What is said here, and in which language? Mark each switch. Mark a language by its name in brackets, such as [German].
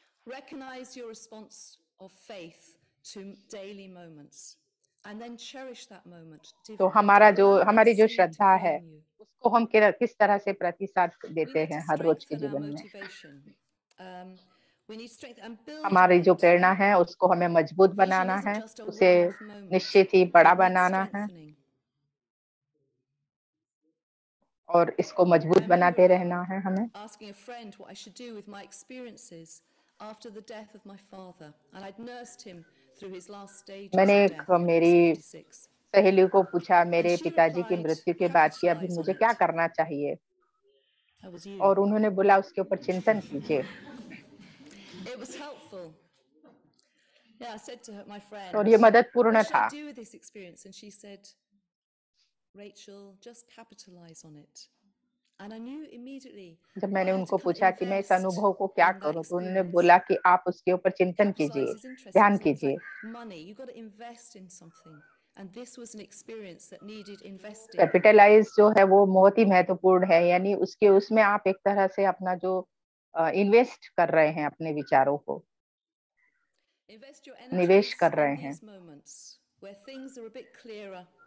[English] Recognize your response of faith to daily moments and then cherish that moment. [Hindi] तो हमारा जो हमारी जो श्रद्धा है उसको हम किस तरह से प्रतिसाद देते हैं हर रोज के जीवन में. हमारी जो प्रेरणा है उसको हमें मजबूत बनाना है, उसे निश्चित ही बड़ा बनाना है और इसको मजबूत बनाते रहना है हमें. [English] Asking a friend what I should do with my experiences after the death of my father, and I'd nursed him through his last stages. [Hindi] मैंने मेरी सहेली को पूछा मेरे पिताजी की मृत्यु के बाद कि अभी मुझे क्या करना चाहिए, और उन्होंने बोला उसके ऊपर चिंतन कीजिए. [English] It was helpful. Yeah, I said to her, my friend. [Hindi] और ये मददपूर्ण था. [English] What should I do with this experience? And she said, Rachel, just capitalize on it. And I knew immediately. [Hindi] जब मैंने उनको पूछा कि मैं इस अनुभव को क्या करूं, तो उन्होंने बोला कि आप उसके ऊपर चिंतन कीजिए, ध्यान कीजिए. [English] Money, you got to invest in something. And this was an experience that needed investing. [Hindi] Capitalize जो है वो बहुत ही महत्वपूर्ण है, यानी उसके उसमें आप एक तरह से अपना जो इन्वेस्ट कर रहे हैं, अपने विचारों को निवेश कर रहे हैं.